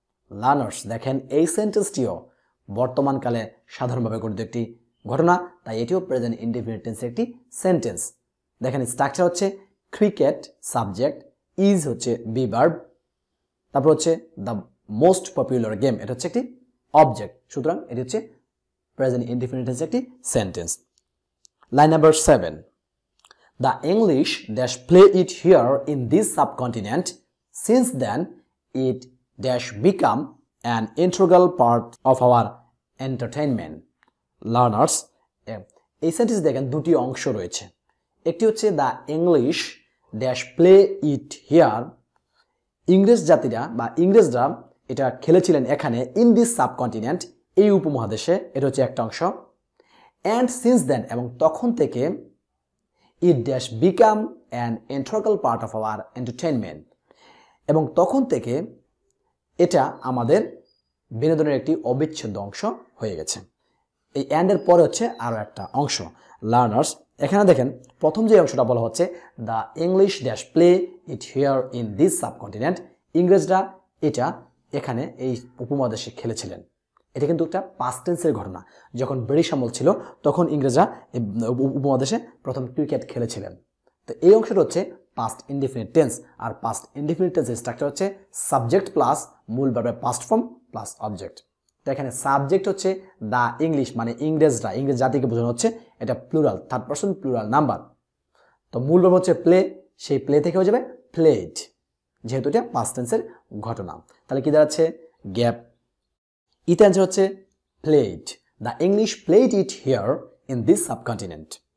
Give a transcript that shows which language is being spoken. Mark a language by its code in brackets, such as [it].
[bn] Learners, দেখেন এই সেন্টেন্সটিও বর্তমানকালে সাধারণভাবে গঠিত একটি ঘটনা, তাই এটিও প্রেজেন্ট ইনডিফিনিট টেন্সের একটি সেন্টেন্স। দেখেন স্ট্রাকচার হচ্ছে ক্রিকেট সাবজেক্ট, ইজ হচ্ছে বি ভার্ব, তারপর হচ্ছে দ্য মোস্ট পপুলার গেম, এটা হচ্ছে একটি অবজেক্ট, সুতরাং এটি হচ্ছে [en] present indefinite tense একটি sentence. Line number 7. The English dash play it here in this subcontinent. Since then, it dash become an integral part of our entertainment. [bn] Learners, এই sentence দেখেন দুটি অংশ রয়েছে. একটি হচ্ছে [en] the English dash play it here. [bn] ইংরেজ জাতিরা বা ইংরেজরা এটা খেলেছিলেন এখানে [en] in this subcontinent, [bn] এই উপমহাদেশে, এটা হচ্ছে একটা অংশ. [en] And since then, [bn] এবং তখন থেকে, [en] it dash become an integral part of our entertainment. [bn] এবং তখন থেকে এটা আমাদের বিনোদনের একটি অবিচ্ছেদ্য অংশ হয়ে গেছে. এই and এর পরে হচ্ছে আরো একটা অংশ. [en] Learners, [bn] এখানে দেখেন প্রথম যে অংশটা বলা হচ্ছে [en] the English dash play it here in this subcontinent. [bn] ইংরেজরা এটা এখানে এই উপমহাদেশে খেলেছিলেন. এটা কিন্তু একটা past tense এর ঘটনা. যখন ব্রিটিশ আমল ছিল তখন ইংরেজরা উপমহাদেশে প্রথম ক্রিকেট খেলেছিলেন. তো এই অংশটা হচ্ছে past indefinite tense. [en] আর past indefinite tense এর structure হচ্ছে subject plus [bn] মূল ভাবে [en] past form plus object. [bn] তো এখানে সাবজেক্ট হচ্ছে দ্য ইংলিশ মানে ইংরেজরা, ইংরেজ জাতিকে বোঝানো হচ্ছে. এটা plural, third person plural number. তো মূল ভাবে হচ্ছে প্লে, সেই প্লে থেকে হয়ে যাবে প্লেড, যেহেতু এটা past tense এর ঘটনা. তাহলে কি দাঁড়াচ্ছে গ্যাপ? ইট অ্যান্সার হচ্ছে played, [en] The English played it here in this subcontinent.